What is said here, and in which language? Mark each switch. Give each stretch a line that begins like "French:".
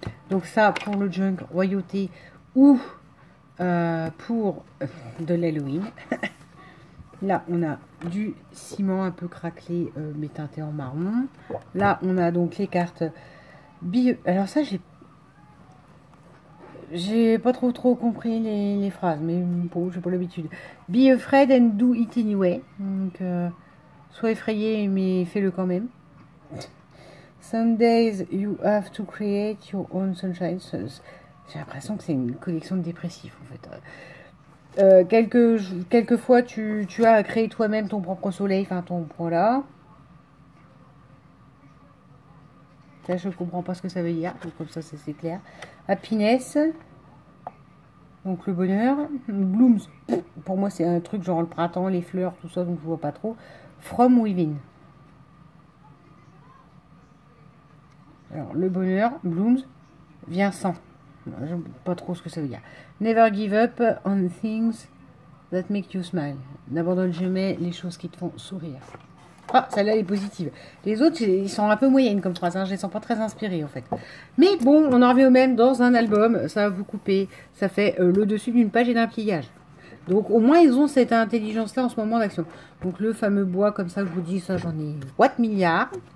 French: Donc ça pour le junk royauté ou pour de l'Halloween. Là on a du ciment un peu craquelé mais teinté en marron. Là on a donc les cartes bio. Alors ça j'ai pas trop compris les phrases, mais bon, j'ai pas l'habitude.
English: Be afraid and do it anyway.
French: Donc sois effrayé mais fais-le quand même.
English: Some days you have to create your own sunshine.
French: J'ai l'impression que c'est une collection de dépressifs en fait. Quelques fois tu as créé toi-même ton propre soleil, enfin ton voilà. Ça, je comprends pas ce que ça veut dire, donc comme ça c'est clair. Happiness, donc le bonheur. Blooms, pour moi c'est un truc genre le printemps, les fleurs, tout ça, donc je vois pas trop.
English: From within.
French: Alors, le bonheur, blooms, vient sans. Je ne sais pas trop ce que ça veut dire.
English: Never give up on things that make you smile.
French: N'abandonne jamais les choses qui te font sourire. Ah, celle-là est positive. Les autres, ils sont un peu moyennes comme phrase. Hein. Je ne les sens pas très inspirées, en fait. Mais bon, on en revient au même dans un album. Ça va vous couper. Ça fait le dessus d'une page et d'un pliage. Donc, au moins, ils ont cette intelligence-là en ce moment d'action. Donc, le fameux bois, comme ça, je vous dis, ça, j'en ai 4 milliards.